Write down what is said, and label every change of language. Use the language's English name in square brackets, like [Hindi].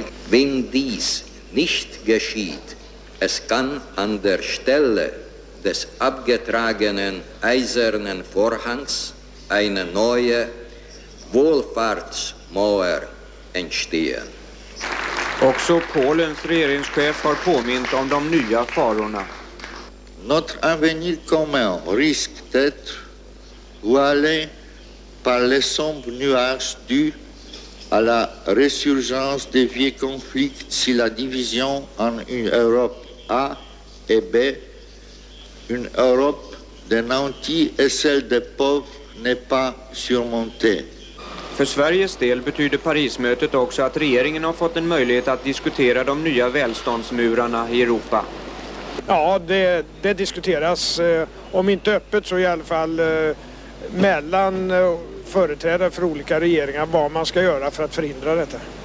[German] Wenn dies nicht geschieht, es kann an der Stelle des abgetragenen eisernen Vorhangs eine neue Wohlfahrtsmauer entstehen. [Swedish] Också Polens regeringschef har påmint om de nya farorna. [French] Notre avenir commun risque d'être voilé par les sombres nuages dus à la résurgence des vieux conflits si la division en une Europe A et B une Europe des nantis et celle des pauvres n'est pas surmontée. [Swedish] För Sveriges del betyder Parismötet också att regeringen har fått en möjlighet att diskutera de nya välståndsmurarna i Europa. Ja, det diskuteras, om inte öppet så i alla fall mellan företrädare för olika regeringar vad man ska göra för att förhindra detta.